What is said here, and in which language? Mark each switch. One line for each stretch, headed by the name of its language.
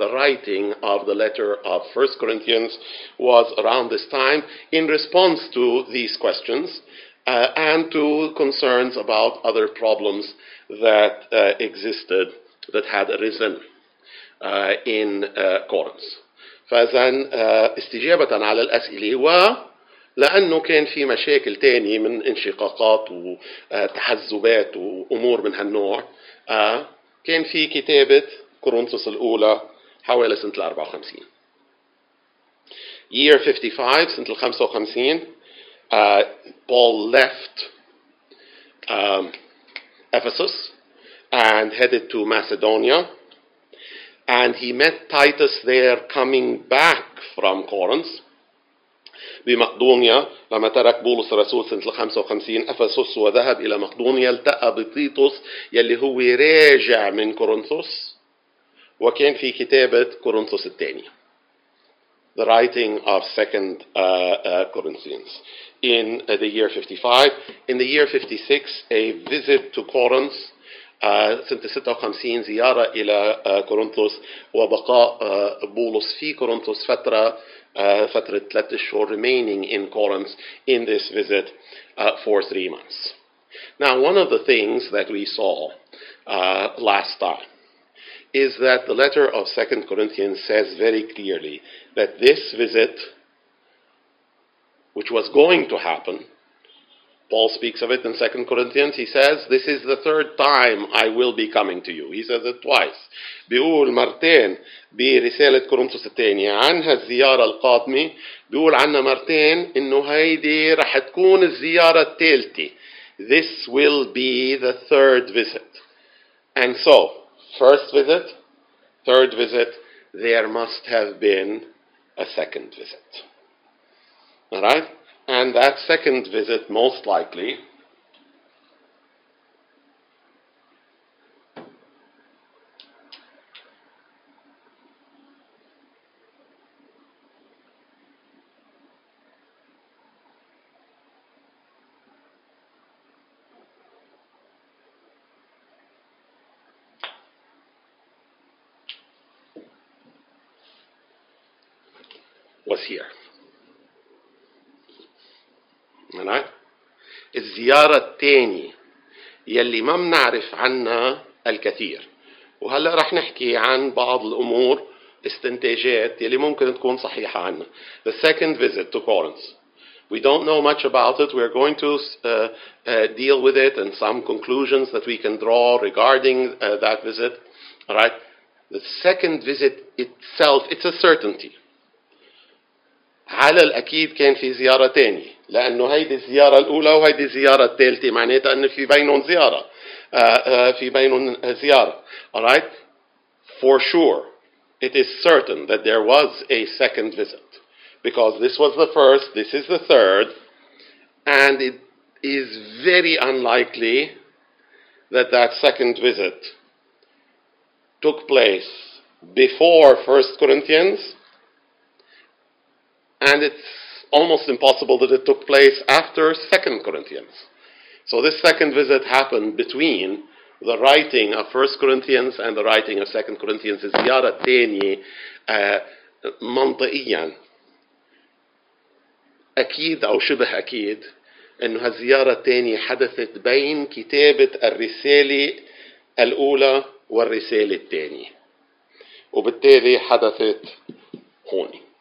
English: The writing of the letter of 1 Corinthians was around this time in response to these questions. And to concerns about other problems that existed, that had arisen in Corinth.
Arabic: فإذن استجابة على الأسئلة ولأنه كان في مشاكل تانية من انشقاقات وتحزبات وأمور من هالنوع كان في كتابة كورنثوس الأولى حوالي سنة 54.
English: Year 55,
Arabic: سنة 55.
English: Paul left Ephesus and headed to Macedonia. And he met Titus there coming back from Corinth.
Arabic: بمقدونيا لما ترك بولس الرسول سنة 55 أفسس وذهب إلى مقدونيا التقى بتيتوس يلي هو راجع من كورنثوس وكان في كتابة كورنثوس الثانية.
English: The writing of second Corinthians in the year 55. In the year 56 a visit to Corinth
Arabic: سنة 56 زيارة إلى كورنثوس وبقاء بولس في كورنثوس فترة فترة ثلاثة شهور
English: remaining in Corinth in this visit for 3 months. Now, one of the things that we saw last time is that the letter of 2 Corinthians says very clearly that this visit, which was going to happen, Paul speaks of it in 2 Corinthians, he says, this is the third time I will be coming to you. He says it twice.
Arabic: بيقول مرتين برسالة كورنثوس الثانية عن هالزيارة القادمة بيقول عنا مرتين إنه هيدي رح تكون الزيارة الثالثة.
English: This will be the third visit. And so, first visit, third visit, there must have been a second visit. All right? And that second visit most likely was here.
Arabic: الزيارة الثانية يلي ما منعرف عنها الكثير وهلأ رح نحكي عن بعض الأمور استنتاجات يلي ممكن تكون صحيحة عنها.
English: The second visit to Corinth. We don't know much about it. We are going to deal with it and some conclusions that we can draw regarding that visit. All right. The second visit itself, it's a certainty.
Arabic: على الأكيد كان في زيارة تانية لأنه هيدي الزيارة الأولى وهيدي الزيارة الثالثة معناتها أن في بينهم زيارة في بينهم زيارة.
English: All right, for sure it is certain that there was a second visit because this was the first, this is the third, and it is very unlikely that that second visit took place before 1 Corinthians. And it's almost impossible that it took place after 2 Corinthians. So this second visit happened between the writing of 1 Corinthians and the writing of 2 Corinthians.
Arabic: زيارة تانية منطقيا أكيد أو شبه أكيد أنه هالزيارة التانية حدثت بين كتابة الرسالة الأولى والرسالة التانية وبالتالي حدثت هون.